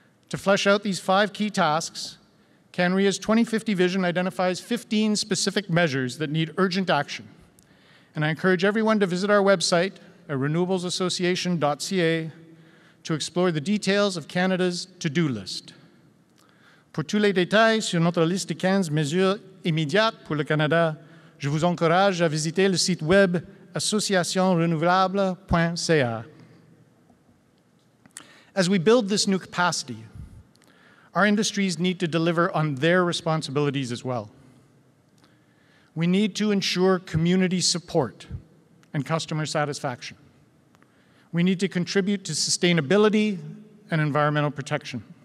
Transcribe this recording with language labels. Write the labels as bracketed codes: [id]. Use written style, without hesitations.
[en] To flesh out these five key tasks, CanREA's 2050 vision identifies 15 specific measures that need urgent action. And I encourage everyone to visit our website at renewablesassociation.ca to explore the details of Canada's to-do list. [fr] Pour tous les détails sur notre liste de 15 mesures immédiates pour le Canada, je vous encourage à visiter le site web associationrenouvelable.ca. [en] As we build this new capacity, our industries need to deliver on their responsibilities as well. We need to ensure community support and customer satisfaction. We need to contribute to sustainability and environmental protection.